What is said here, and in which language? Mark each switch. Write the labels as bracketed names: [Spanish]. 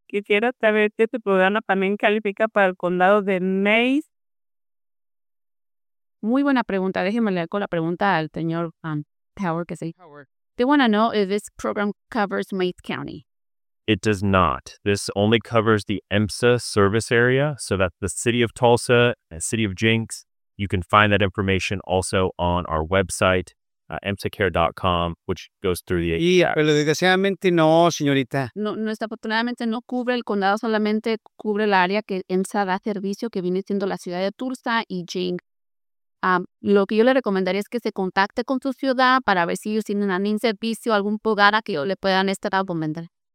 [Spanish] Quisiera saber si este programa también califica para el condado de Mays. Muy buena pregunta. Déjeme leer con la pregunta al señor Power, que sí. Power. [English] They want to know if this program covers Mays County. It does not. This only covers the EMSA service area, so that the city of Tulsa and city of Jinks. You can find that information also on our website, emsacare.com, which goes through the... [Spanish] Pero desgraciadamente no, señorita. No, desafortunadamente no cubre el condado, solamente cubre el área que EMSA da servicio, que viene siendo la ciudad de Tulsa y Jinks. Lo que yo le recomendaría es que se contacte con su ciudad para ver si ellos tienen algún servicio, algún lugar a que le puedan estar a vender.